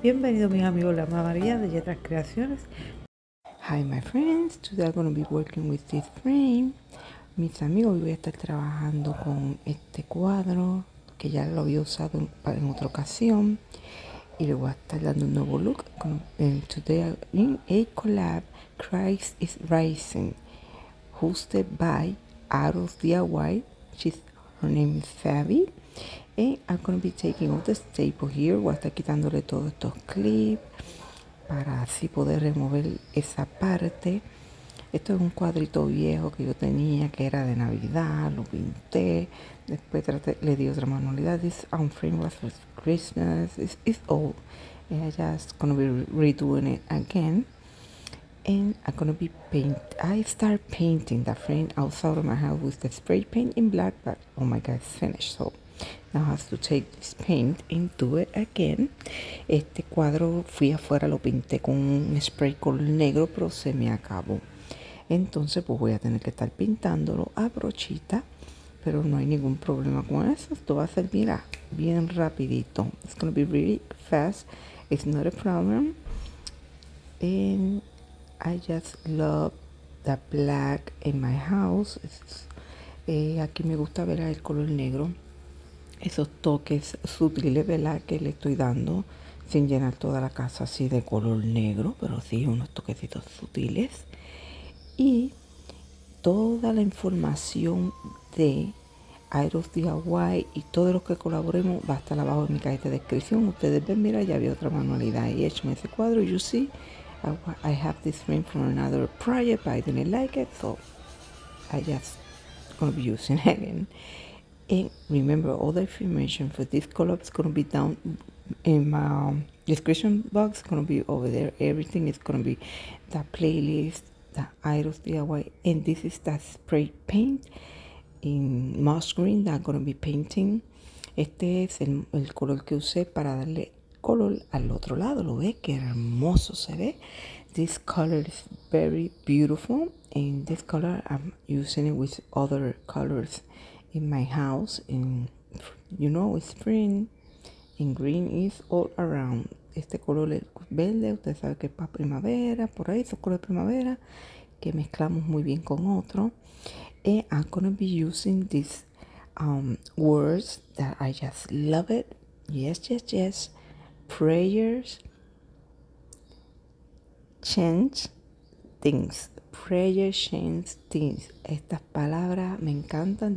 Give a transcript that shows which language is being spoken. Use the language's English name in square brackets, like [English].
[Spanish] Bienvenido mis amigos, la mamá María de Yetras Creaciones. [English] Hi my friends, today I'm going to be working with this frame. [Spanish] Mis amigos, voy a estar trabajando con este cuadro que ya lo había usado en otra ocasión y le voy a estar dando un nuevo look con, [English] today in a collab, Christ is Rising, hosted by Aros DIY. Her name is Favi. And I'm going to be taking all the staple here. [Spanish] Voy a estar quitándole todos estos clips para así poder remover esa parte. Esto es un cuadrito viejo que yo tenía que era de Navidad. Lo pinté. Después le di otra manualidad. [English] This frame was for Christmas. It's old. And I'm just going to be redoing it again. And I'm going to be painting the frame outside of my house with the spray paint in black. But oh my god, it's finished. So now I have to take this paint and do it again. [Spanish] Este cuadro fui afuera, lo pinté con un spray color negro, pero se me acabó. Entonces pues voy a tener que estar pintándolo a brochita. Pero no hay ningún problema con eso. Esto va a ser, mira, bien rapidito. [English] It's going to be really fast. It's not a problem. And I just love the black in my house. [Spanish] Aquí me gusta ver el color negro. Esos toques sutiles, ¿verdad? Que le estoy dando sin llenar toda la casa así de color negro. Pero sí, unos toquecitos sutiles. Y toda la información de Aeros DIY y todos los que colaboremos va a estar abajo en mi cajita de descripción. Ustedes ven, mira, ya había otra manualidad ahí. Échame ese cuadro. [English] You see, I have this frame from another project, but I didn't like it, so I just gonna be using it again. And remember, all the information for this collab is gonna be down in my description box. It's gonna be over there. Everything is gonna be the playlist, the Aeros DIY, and this is the spray paint in moss green that I'm gonna be painting. [Spanish] Este es el color que usé para darle color al otro lado, lo ve que hermoso se ve. [English] This color is very beautiful, and this color I'm using it with other colors in my house. In, you know, spring and green is all around. [Spanish] Este color verde, usted sabe que es para primavera, por ahí esos colores de primavera que mezclamos muy bien con otro. [English] And I'm gonna be using these words that I just love it. Yes, yes, yes. Prayers change things. Prayers change things. [Spanish] Estas palabras me encantan.